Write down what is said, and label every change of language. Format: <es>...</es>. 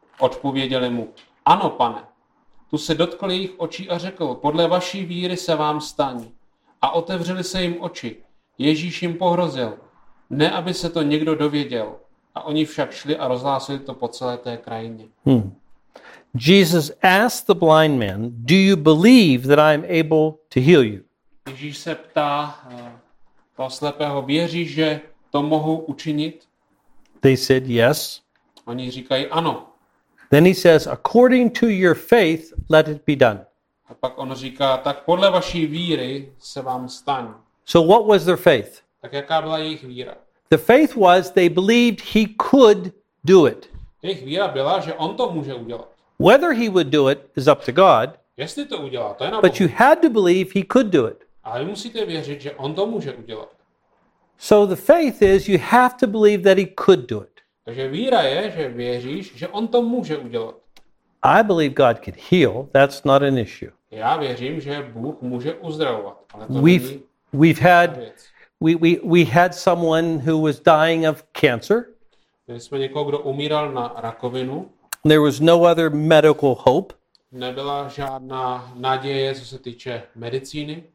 <cs>Odpověděli mu: ano, pane. Tu se dotkl jejich očí a řekl: podle vaší víry se vám staň. A otevřeli se jim oči. Ježíš jim pohrozil: ne, aby se to někdo dověděl. A oni však šli a rozhlásili to po celé té krajině.</cs> <en>Jesus asked the blind man, do you believe that I am able to heal you?</en> <cs>Ježíš se ptá toho slepého, věří, že to mohu učinit?</cs> <en>They said yes.</en> <cs>Oni říkají ano.</cs> <en>Then he says, according to your faith, let it be done.</en> <cs>A pak on říká, tak podle vaší víry se vám stane.</cs> <en>So what was their faith?</en> <cs>Tak jaká byla jejich víra?</cs> <en>The faith was they believed he could do it.</en> <cs>Jejich víra byla, že on to může udělat.</cs> <en>Whether he would do it is up to God.</en> <cs>Jestli to udělá, to je na</cs> <en>Bohu. But you had to believe he could do it.</en> <cs>Ale musíte věřit, že on to může udělat.</cs> <en>So the faith is you have to believe that he could do it.</en> <cs>Takže víra je, že věříš, že on to může udělat.</cs> <en>I believe God could heal. That's not an issue.</en> <cs>Já věřím, že Bůh může uzdravovat.</cs> <en>We had someone who was dying of cancer.</en> <cs>Měli jsme někoho, kdo umíral na rakovinu.</cs> <en>There was no other medical hope.</en> <cs>Nebyla žádná naděje, co se týče medicíny.</cs>